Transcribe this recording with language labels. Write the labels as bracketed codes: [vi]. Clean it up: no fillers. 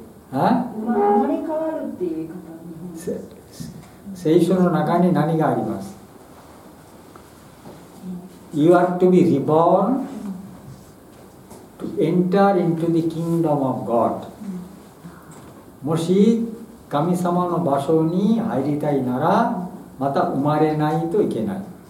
[ja] 生まれ変わるっていう言い方、聖書の中に何があります。 [en] You are to be reborn to enter into the kingdom of God。 [ja] もし神様の場所に入りたいなら、また生まれないといけない。